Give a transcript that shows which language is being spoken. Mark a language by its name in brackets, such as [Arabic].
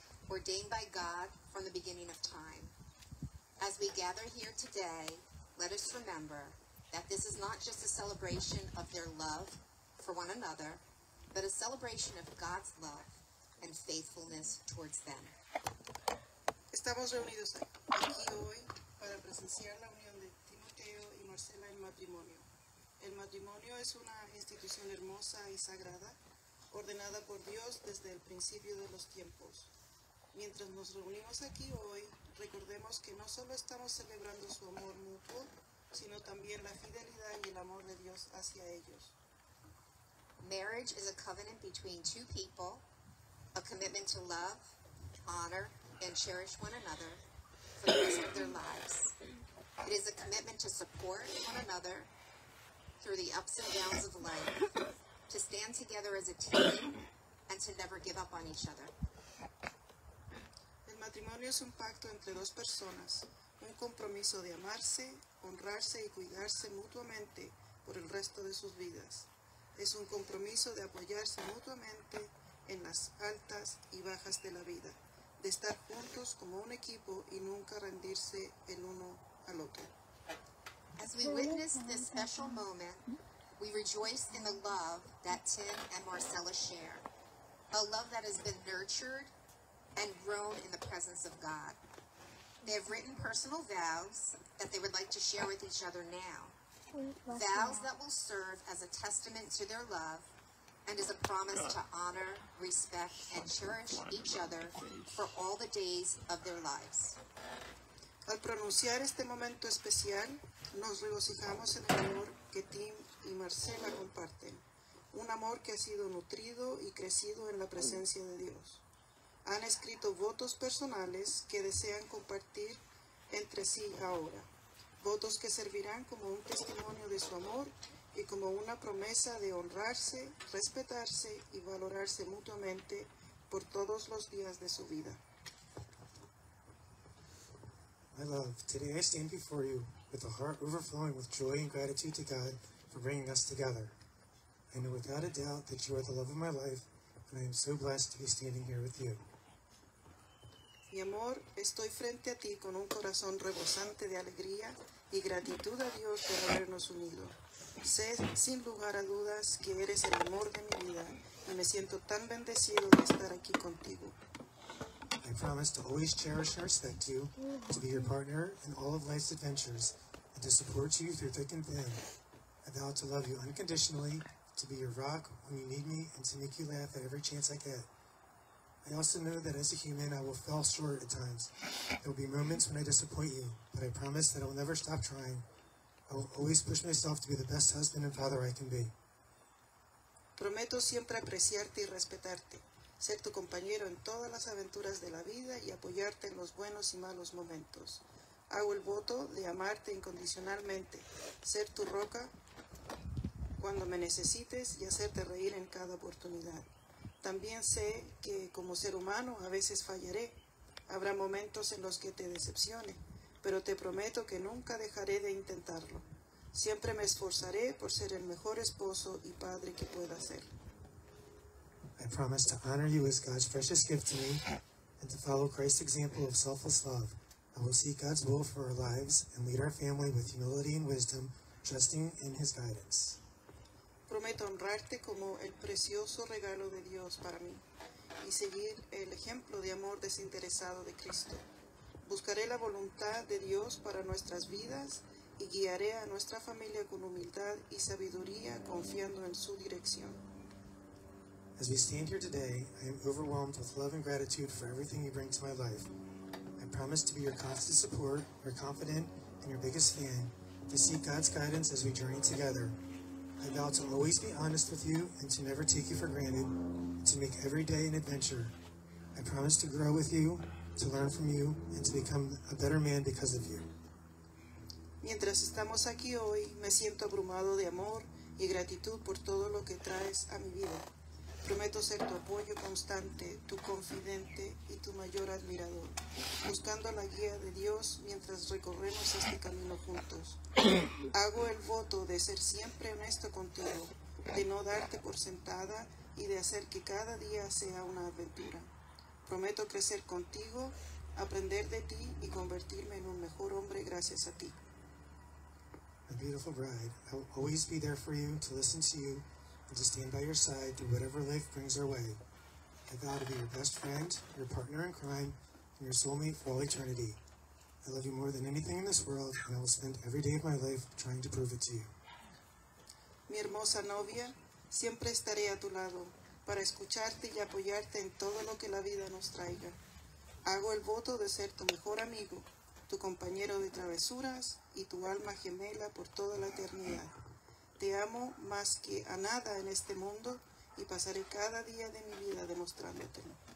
[English] Ordained by God from the beginning of time. As we gather here today, let us remember that this is not just a celebration of their love for one another, but a celebration of God's love and faithfulness towards them. [Spanish] Estamos reunidos aquí hoy para presenciar la unión de Timoteo y Marcela en matrimonio. El matrimonio es una institución hermosa y sagrada, ordenada por Dios desde el principio de los tiempos. Mientras nos reunimos aquí hoy, recordemos que no solo estamos celebrando su amor mutuo, sino también la fidelidad y el amor de Dios hacia ellos. [English] Marriage is a covenant between two people, a commitment to love, honor, and cherish one another for the rest of their lives. It is a commitment to support one another through the ups and downs of life, to stand together as a team, and to never give up on each other. [Spanish] El matrimonio es un pacto entre dos personas, un compromiso de amarse, honrarse y cuidarse mutuamente por el resto de sus vidas. Es un compromiso de apoyarse mutuamente en las altas y bajas de la vida, de estar juntos como un equipo y nunca rendirse el uno al otro. [English] As we witness this special moment, we rejoice in the love that Tim and Marcela share, a love that has been nurtured and grown in the presence of God. They have written personal vows that they would like to share with each other now. Vows that will serve as a testament to their love and as a promise to honor, respect, and cherish each other for all the days of their lives. [Spanish] Al pronunciar este momento especial, nos regocijamos en el amor que Tim y Marcela comparten, un amor que ha sido nutrido y crecido en la presencia de Dios. Han escrito votos personales que desean compartir entre sí ahora. Votos que servirán como un testimonio de su amor y como una promesa de honrarse, respetarse y valorarse mutuamente por todos los días de su vida. [English] My love, today I stand before you with a heart overflowing with joy and gratitude to God for bringing us together. I know without a doubt that you are the love of my life, and I am so blessed to be standing here with you. [Spanish] Mi amor, estoy frente a ti con un corazón rebosante de alegría y gratitud a Dios por habernos unido. Sé sin lugar a dudas que eres el amor de mi vida y me siento tan bendecido de estar aquí contigo. [English] I promise to always cherish and respect you, to be your partner in all of life's adventures, and to support you through thick and thin. I vow to love you unconditionally, to be your rock when you need me, and to make you laugh at every chance I get. I also know that as a human, I will fall short at times. There will be moments when I disappoint you, but I promise that I will never stop trying. I will always push myself to be the best husband and father I can be. [Spanish] Prometo siempre apreciarte y respetarte, ser tu compañero en todas las aventuras de la vida y apoyarte en los buenos y malos momentos. Hago el voto de amarte incondicionalmente, ser tu roca cuando me necesites y hacerte reír en cada oportunidad. También sé que como ser humano a veces fallaré. Habrá momentos en los que te decepcione, pero te prometo que nunca dejaré de intentarlo. Siempre me esforzaré por ser el mejor esposo y padre que pueda ser. [English] I promise to honor you as God's precious gift to me and to follow Christ's example of selfless love. I will seek God's will for our lives and lead our family with humility and wisdom, trusting in His guidance. [Spanish] Prometo honrarte como el precioso regalo de Dios para mí y seguir el ejemplo de amor desinteresado de Cristo. Buscaré la voluntad de Dios para nuestras vidas y guiaré a nuestra familia con humildad y sabiduría, confiando en su dirección. [English] As we stand here today, I am overwhelmed with love and gratitude for everything you bring to my life. I promise to be your constant support, your confidant, and your biggest fan, to seek God's guidance as we journey together. I vow to always be honest with you and to never take you for granted, and to make every day an adventure. I promise to grow with you, to learn from you, and to become a better man because of you. [Spanish] Mientras estamos aquí hoy, me siento abrumado de amor y gratitud por todo lo que traes a mi vida. Prometo ser tu apoyo constante, tu confidente y tu mayor admirador, buscando la guía de Dios mientras recorremos este camino juntos. Hago el voto de ser siempre honesto contigo, de no darte por sentada y de hacer que cada día sea una aventura. Prometo crecer contigo, aprender de ti y convertirme en un mejor hombre gracias a ti. [English] My beautiful bride, I will always be there for you, to listen to you, and to stand by your side through whatever life brings our way. I vow to be your best friend, your partner in crime, and your soulmate for all eternity. I love you more than anything in this world, and I will spend every day of my life trying to prove it to you. [Spanish] Mi hermosa novia, siempre estaré a tu lado, para escucharte y apoyarte en todo lo que la vida nos traiga. Hago el voto de ser tu mejor amigo, tu compañero de travesuras y tu alma gemela por toda la eternidad. Te amo más que a nada en este mundo y pasaré cada día de mi vida demostrándotelo.